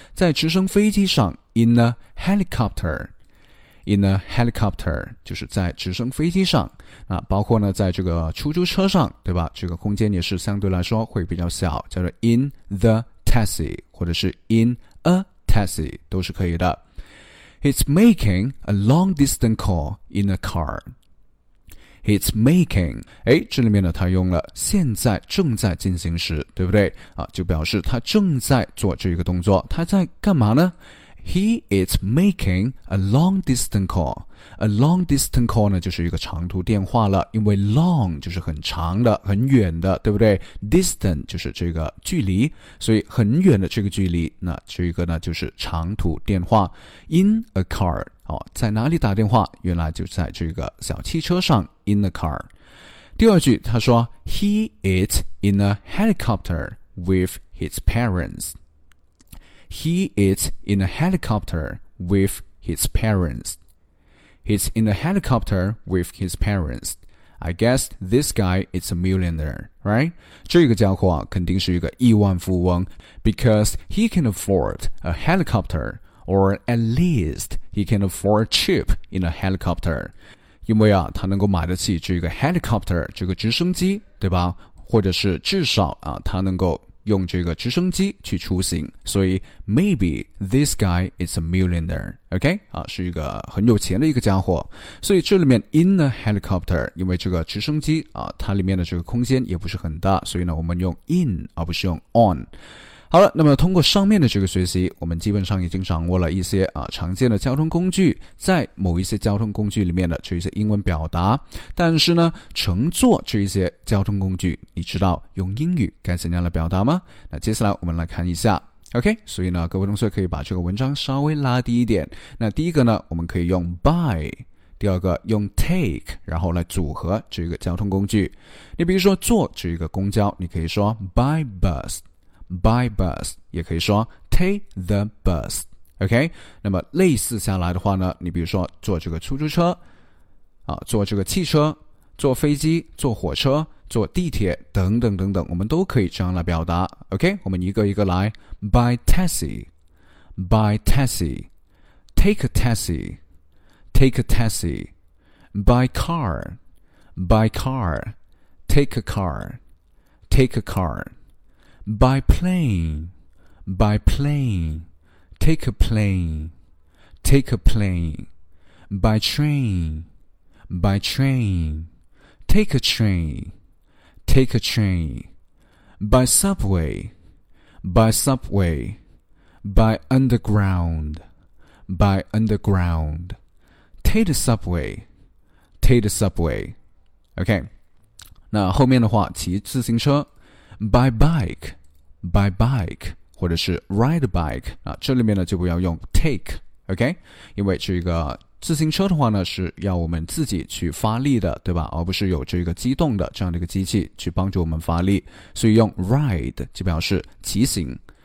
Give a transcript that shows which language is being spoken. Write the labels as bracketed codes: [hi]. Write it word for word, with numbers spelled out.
[zh] 在直升飞机上 [en] in a helicopter。 In a helicopter [zh] 就是在直升飞机上啊，包括呢在这个出租车上，对吧？这个空间也是相对来说会比较小，叫做 [en] in the taxi [zh] 或者是 [en] in a taxi [zh] 都是可以的。 [en] He's making a long distance call in a car. He's making， [zh] 哎，这里面呢他用了现在正在进行时，对不对啊？就表示他正在做这个动作，他在干嘛呢？ [en] He is making a long distance call. A long distance call [zh] 呢就是一个长途电话了，因为 long 就是很长的很远的，对不对？ Distance 就是这个距离，所以很远的这个距离，那这个呢就是长途电话。 [en] In a car、 [zh] 哦、在哪里打电话？原来就在这个小汽车上， [en] in a car。 [zh] 第二句他说 [en] He is in a helicopter with his parents. He is in a helicopter with his parents. He's in a helicopter with his parents. I guess this guy is a millionaire, right? [zh] 这个家伙啊，肯定是一个亿万富翁 [en] because he can afford a helicopter, or at least he can afford cheap in a helicopter. [zh] 因为啊，他能够买得起这个 helicopter 这个直升机，对吧？或者是至少啊，他能够用这个直升机去出行，所以 [en] maybe this guy is a millionaire, OK? [zh] 啊，是一个很有钱的一个家伙。所以这里面 [en] in a helicopter, [zh] 因为这个直升机啊，它里面的这个空间也不是很大，所以呢，我们用 in 而不是用 on。好了，那么通过上面的这个学习，我们基本上已经掌握了一些啊常见的交通工具，在某一些交通工具里面的这一些英文表达。但是呢，乘坐这一些交通工具，你知道用英语该怎样来表达吗？那接下来我们来看一下。OK， 所以呢，各位同学可以把这个文章稍微拉低一点。那第一个呢，我们可以用 by， 第二个用 take， 然后来组合这个交通工具。你比如说坐这个公交，你可以说 [en] by bus。 By bus [zh] 也可以说 [en] take the bus OK [zh] 那么类似下来的话呢，你比如说坐这个出租车啊，坐这个汽车，坐飞机，坐火车，坐地铁等等等等，我们都可以这样来表达 [en] OK [zh] 我们一个一个来 [en] By taxi By taxi Take a taxi Take a taxi By car By car Take a car Take a car By plane, by plane, take a plane, take a plane. By train, by train, take a train, take a train. By subway, by subway, by underground, by underground. Take the subway, take the subway. [zh] OK, 那后面的话，骑自行车。 [en] By bike, by bike, [zh] 或者是 [en] ride a bike [zh] 啊，这里面呢就不要用 take, OK? 因为这个自行车的话呢是要我们自己去发力的，对吧？而不是有这个机动的这样的一个机器去帮助我们发力，所以用 ride 就表示骑行。